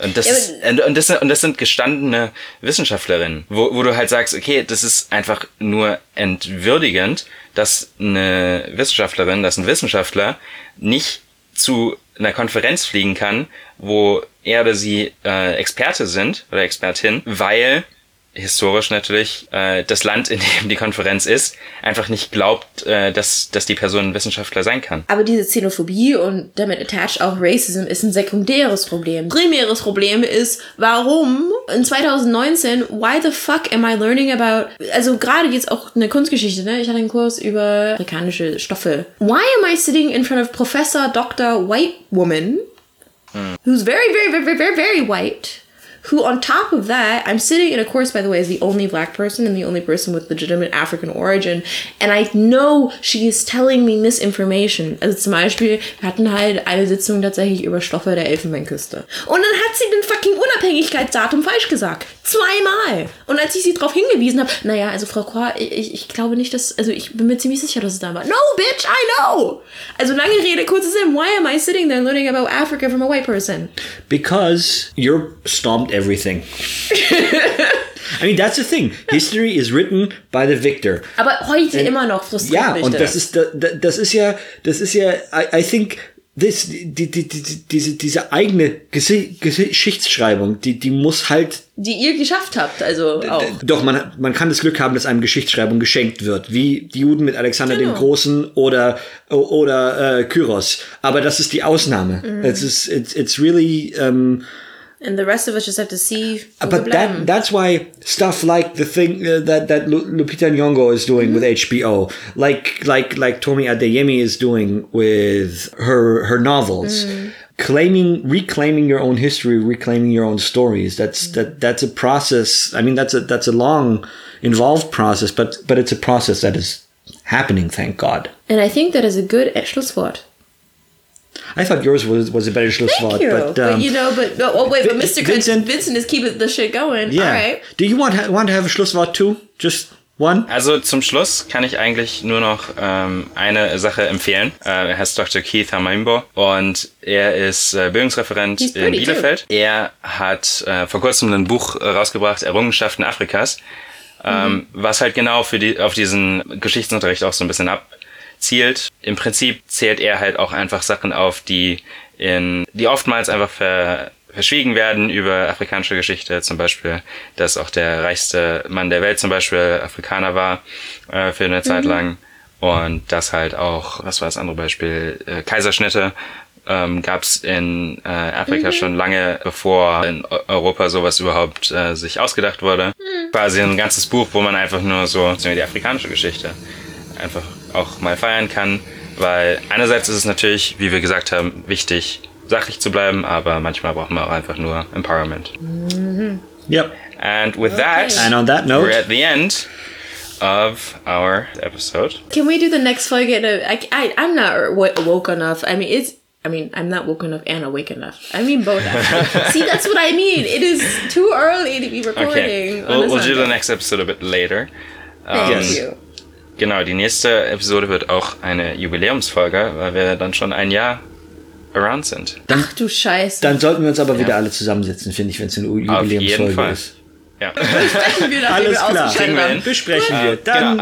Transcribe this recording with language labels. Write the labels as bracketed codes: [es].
[de] Und das sind gestandene Wissenschaftlerinnen, wo du halt sagst, okay, das ist einfach nur entwürdigend, dass eine Wissenschaftlerin, dass ein Wissenschaftler nicht zu einer Konferenz fliegen kann, wo er oder sie Experte sind oder Expertin, weil historisch natürlich das Land, in dem die Konferenz ist, einfach nicht glaubt, dass die Person ein Wissenschaftler sein kann. Aber diese Xenophobie und damit attached auch Racism ist ein sekundäres Problem. Primäres Problem ist, warum in 2019, [en] why the fuck am I learning about, [de] also gerade jetzt auch eine Kunstgeschichte, ne? Ich hatte einen Kurs über afrikanische Stoffe. [en] Why am I sitting in front of Professor Dr. White Woman, who's very, very, very, very, very, very white, who on top of that, I'm sitting in a course, by the way, as the only black person and the only person with legitimate African origin, and I know she is telling me misinformation. [de] Also zum Beispiel, wir hatten halt eine Sitzung tatsächlich über Stoffe der Elfenbeinküste. Und dann hat sie den fucking Unabhängigkeitsdatum falsch gesagt. Zweimal. Und als ich sie darauf hingewiesen habe, naja, also Frau Kwa, ich glaube nicht, dass, also ich bin mir ziemlich sicher, dass es da war. [en] No, bitch, I know! [de] Also lange Rede, kurzer Sinn, [en] why am I sitting there learning about Africa from a white person? Because you're stomped everything. I mean, that's the thing. History is written by the victor. [de] Aber heute and, immer noch frustriert yeah, mich und das. Ja, und das ist ja, [en] I think... [de] Diese eigene Geschichtsschreibung, die muss halt... Die ihr geschafft habt, also auch. Doch, man kann das Glück haben, dass einem Geschichtsschreibung geschenkt wird, wie die Juden mit Alexander genau. dem Großen oder Kyros. Aber das ist die Ausnahme. [en] Mhm. It's really... And the rest of us just have to see... But that's why stuff like the thing that Lupita Nyong'o is doing mm-hmm. with HBO, like Tomi Adeyemi is doing with her novels, mm-hmm. reclaiming your own history, reclaiming your own stories, that's a process. I mean, that's a long, involved process, but it's a process that is happening, thank God. And I think that is a good Schlusswort. I thought yours was a better Schlusswort. Thank you. But Mr. Vincent is keeping the shit going. Yeah. All right. Do you want to have a Schlusswort too? Just one? [de] Also zum Schluss kann ich eigentlich nur noch eine Sache empfehlen. Er heißt Dr. Keith Hamaimbo und er ist Bildungsreferent in Bielefeld. Too. Er hat vor kurzem ein Buch rausgebracht, Errungenschaften Afrikas, was halt genau auf diesen Geschichtsunterricht auch so ein bisschen abzielt. Im Prinzip zählt er halt auch einfach Sachen auf, die oftmals einfach verschwiegen werden über afrikanische Geschichte, zum Beispiel, dass auch der reichste Mann der Welt zum Beispiel Afrikaner war für eine Zeit lang und das halt auch, was war das andere Beispiel, Kaiserschnitte gab es in Afrika schon lange, bevor in Europa sowas überhaupt sich ausgedacht wurde. Quasi ein ganzes Buch, wo man einfach nur so die afrikanische Geschichte einfach auch mal feiern kann, weil einerseits ist es natürlich, wie wir gesagt haben, wichtig, sachlich zu bleiben, aber manchmal brauchen wir auch einfach nur Empowerment. [en] Mm-hmm. Yep. And with that, and on that note, we're at the end of our episode. Can we do the next folge? I'm not woke enough. I'm not woke enough and awake enough. I mean both. See, that's what I mean. It is too early to be recording. Okay. We'll do the next episode a bit later. Thank you. [de] Genau, die nächste Episode wird auch eine Jubiläumsfolge, weil wir dann schon ein Jahr around sind. Ach du Scheiße. Dann sollten wir uns aber wieder alle zusammensetzen, finde ich, wenn es eine Jubiläumsfolge ist. Ja. Alles klar. Besprechen wir. Dann. Genau.